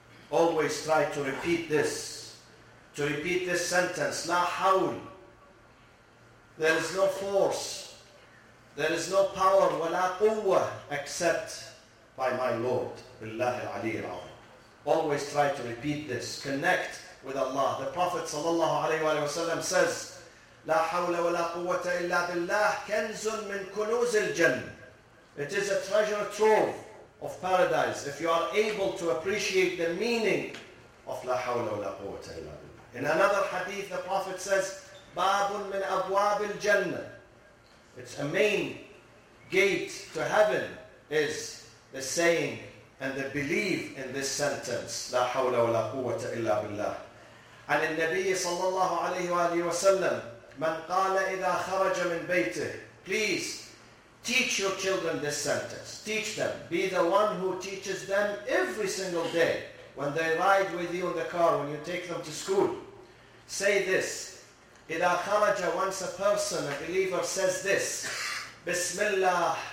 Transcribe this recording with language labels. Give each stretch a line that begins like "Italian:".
English: Always try to repeat this. To repeat this sentence.
Arabic: لَا حَوْلَ.
English: There is no force, there is no power,
Arabic: وَلَا قُوَّةَ,
English: except by my Lord, Billah al-Ali al-Azim. Always try to repeat this. Connect with Allah. The Prophet sallallahu alayhi wa sallam says,
Arabic: لا حول ولا قوة إلا بالله كنز من كنوز الجنة.
English: It is a treasure trove of paradise. If you are able to appreciate the meaning of
Arabic: لا حول ولا قوة إلا بالله.
English: In another hadith, the Prophet says,
Arabic: باب من أبواب الجنة.
English: It's a main gate to heaven, is the saying and the belief in this sentence,
Arabic: لا حول ولا قوة إلا بالله. عن النبي صلى الله عليه وآله وسلم من قال إذا خرج من بيته.
English: Please teach your children this sentence. Teach them. Be the one who teaches them every single day when they ride with you in the car, when you take them to school. Say this.
Arabic: إذا خرج,
English: once a person, a believer, says this. Bismillah.